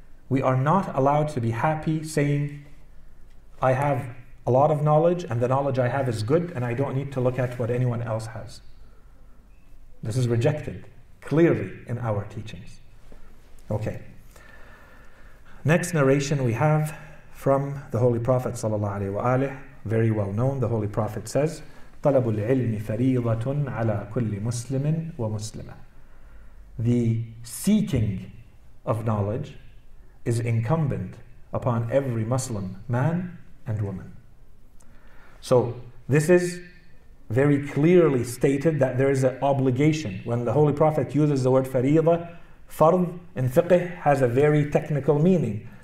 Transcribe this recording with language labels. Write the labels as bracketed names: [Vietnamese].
[English] We are not allowed to be happy saying, I have a lot of knowledge and the knowledge I have is good and I don't need to look at what anyone else has. This is rejected clearly in our teachings. Okay. Next narration we have from the Holy Prophet sallallahu alaihi wa alihi, very well known. The Holy Prophet says, [Arabic] طَلَبُ الْعِلْمِ فَرِيضَةٌ عَلَىٰ كُلِّ مُسْلِمٍ وَمُسْلِمَةٍ. [English] The seeking of knowledge is incumbent upon every Muslim man and woman. So this is very clearly stated that there is an obligation. When the Holy Prophet uses the word فَرِيضَة, فَرْض in fiqh has a very technical meaning.